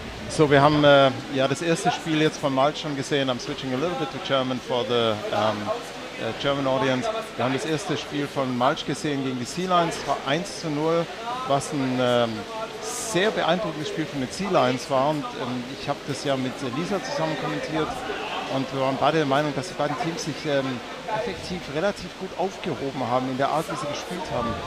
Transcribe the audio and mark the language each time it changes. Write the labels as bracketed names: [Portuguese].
[English] So we have [German] das erste Spiel jetzt von Malch schon gesehen. [English] I'm switching a little bit to German for the German audience. [German] Wir haben das erste Spiel von Malch gesehen gegen die Sea Lions, 1-0, was ein sehr beeindruckendes Spiel von den Sea Lions war. Und ich habe das ja mit Lisa zusammen kommentiert und wir waren beide der Meinung, dass die beiden Teams sich effektiv relativ gut aufgehoben haben in der Art, wie sie gespielt haben.